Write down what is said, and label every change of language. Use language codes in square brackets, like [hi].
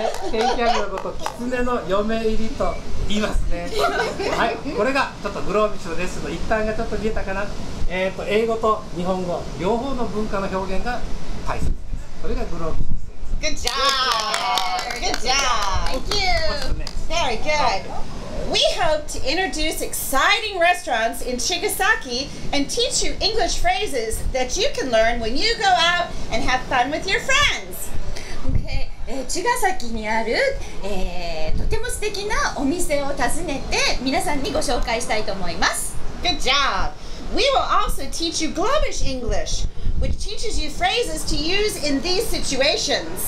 [ja] 天気アグのことを狐の嫁入りと言いますね。はい、これがちょっとグロービッシュのレッスンの一端がちょっと見えたかな。英語と日本語両方の文化の表現が大切です。それがグロービッシュです。 [en] Good job! Good job! Thank you! Very good! We hope to introduce exciting restaurants in Chigasaki and teach you English phrases that you can learn when you go out and have fun with your friends! [ja] 茅ヶ崎にある、とても素敵なお店を訪ねて皆さんにご紹介したいと思います。 [en] Good job! We will also teach you Globish English, which teaches you phrases to use in these situations、